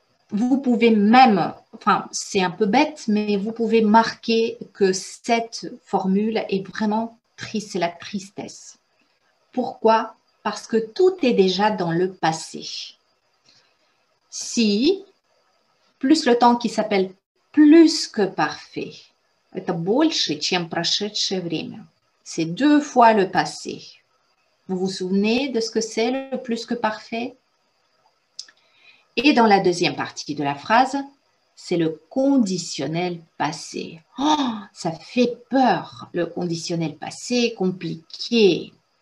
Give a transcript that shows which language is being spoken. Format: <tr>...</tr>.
<fr>Vous pouvez même, enfin c'est un peu bête, mais vous pouvez marquer que cette formule est vraiment triste, c'est la tristesse. Pourquoi? Parce que tout est déjà dans le passé. Si, plus le temps qui s'appelle plus que parfait.</fr> <ru>Это больше, чем прошедшее время.</ru> <fr>C'est deux fois le passé. Vous vous souvenez de ce que c'est le plus que parfait? Et dans la deuxième partie de la phrase, c'est le conditionnel passé. Oh, ça fait peur, le conditionnel passé compliqué.</fr>